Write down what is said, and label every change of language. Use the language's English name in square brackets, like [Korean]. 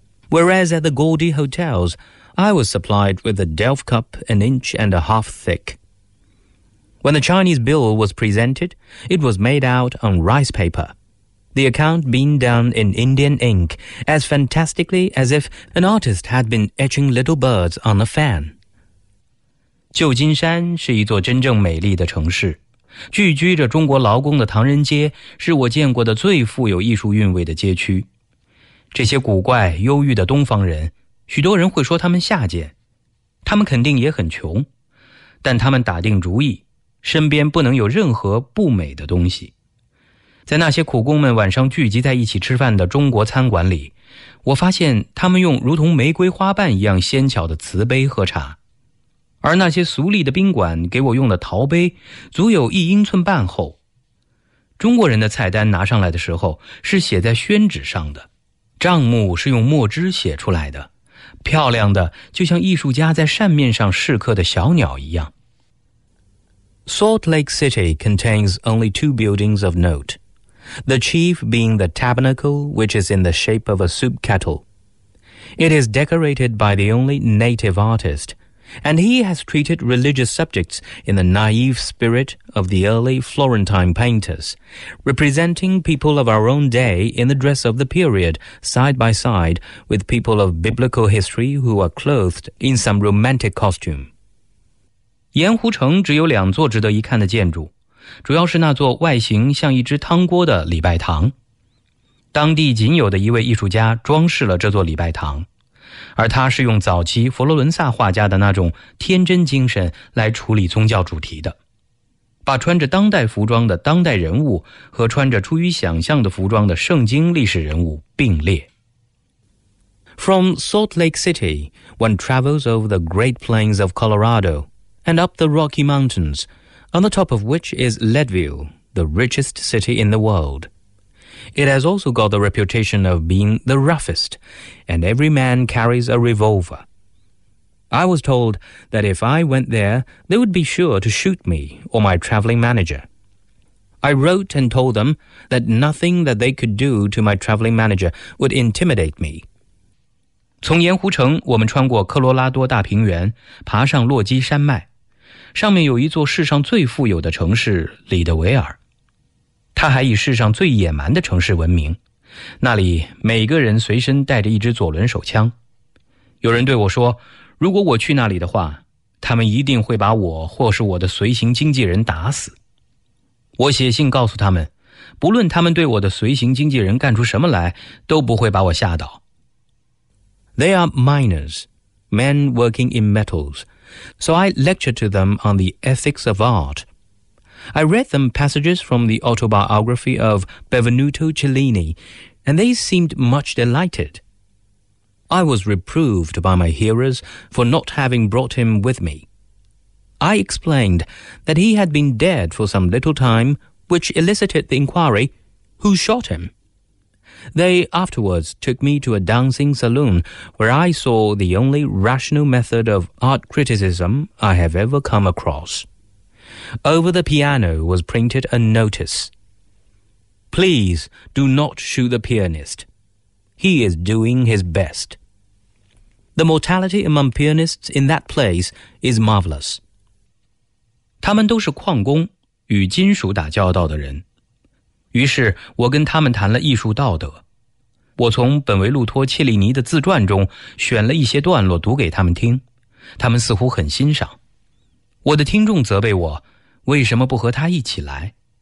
[English] Whereas at the gaudy hotels, I was supplied with a Delft cup an inch and a half thick. When the Chinese bill was presented, it was made out on rice paper, the account being done in Indian ink as fantastically as if an artist had been etching little birds on a fan. [Chinese] 旧金山是一座真正美丽的城市。聚居着中国劳工的唐人街是我见过的最富有艺术韵味的街区。这些古怪忧郁的东方人，许多人会说他们下贱，他们肯定也很穷，但他们打定主意，身边不能有任何不美的东西。在那些苦工们晚上聚集在一起吃饭的中国餐馆里，我发现他们用如同玫瑰花瓣一样纤巧的瓷杯喝茶，而那些俗丽的宾馆给我用的陶杯足有一英寸半厚。中国人的菜单拿上来的时候是写在宣纸上的，账目是用墨汁写出来的，漂亮的就像艺术家在扇面上试刻的小鸟一样。 [English] Salt Lake City contains only two buildings of note, the chief being the tabernacle which is in the shape of a soup kettle. It is decorated by the only native artist,And he has treated religious subjects in the naive spirit of the early Florentine painters, representing people of our own day in the dress of the period, side by side with people of biblical history who are clothed in some romantic costume. [Chinese] 盐湖城只有两座值得一看的建筑，主要是那座外形像一只汤锅的礼拜堂。当地仅有的一位艺术家装饰了这座礼拜堂。而他是用早期佛罗伦萨画家的那种天真精神来处理宗教主题的，把穿着当代服装的当代人物和穿着出于想象的服装的圣经历史人物并列。 [English] From Salt Lake City, one travels over the Great Plains of Colorado and up the Rocky Mountains, on the top of which is Leadville, the richest city in the world. It has also got the reputation of being the roughest, and every man carries a revolver. I was told that if I went there, they would be sure to shoot me or my traveling manager. I wrote and told them that nothing that they could do to my traveling manager would intimidate me. [Chinese] 从盐湖城，我们穿过科罗拉多大平原，爬上洛基山脉，上面有一座世上最富有的城市——里德维尔。他还以世上最野蛮的城市闻名，那里每个人随身带着一支左轮手枪。有人对我说，如果我去那里的话，他们一定会把我或是我的随行经纪人打死。我写信告诉他们，不论他们对我的随行经纪人干出什么来，都不会把我吓倒。 [English] They are miners, men working in metals, so I lecture to them on the ethics of art. I read them passages from the autobiography of Benvenuto Cellini, and they seemed much delighted. I was reproved by my hearers for not having brought him with me. I explained that he had been dead for some little time, which elicited the inquiry, "Who shot him?" They afterwards took me to a dancing saloon where I saw the only rational method of art criticism I have ever come across. Over the piano was printed a notice. Please do not shoot the pianist. He is doing his best. The mortality among pianists in that place is marvelous. [Chinese] 他们都是矿工，与金属打交道的人。于是我跟他们谈了艺术道德。我从本维路托·切利尼的自传中选了一些段落读给他们听，他们似乎很欣赏。我的听众责备我，为什么不和他一起来？